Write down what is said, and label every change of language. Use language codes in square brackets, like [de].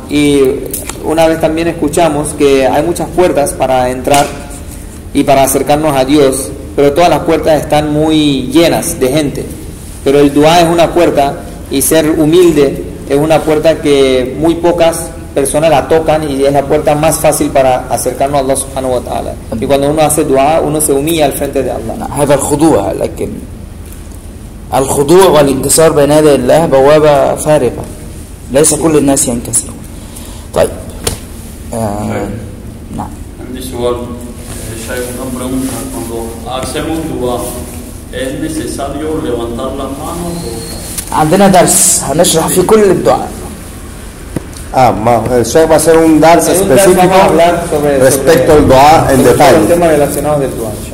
[es] Y una vez también escuchamos que hay muchas puertas para entrar y para acercarnos a Dios, pero todas las puertas están muy llenas de gente, pero el dua es una puerta, y ser humilde es una puerta que muy pocas personas la tocan, y es la puerta más fácil para acercarnos a Allah subhanahu wa ta'ala. Y cuando uno hace dua, uno se humilla al frente de Allah. [ar] هذا الخضوع، لكن الخضوع والانكسار بين يدي الله بوابة فارغة، ليس كل الناس ينكسرون. طيب نعم، عندي سؤال. شايف [es] una pregunta: cuando hacemos dua es necesario levantar la mano? [ar] عندنا درس هنشرح في كل الدعاء. [es] ما الشيخ va a hacer un درس específico respecto al dua en detalle. El tema relacionado del dua.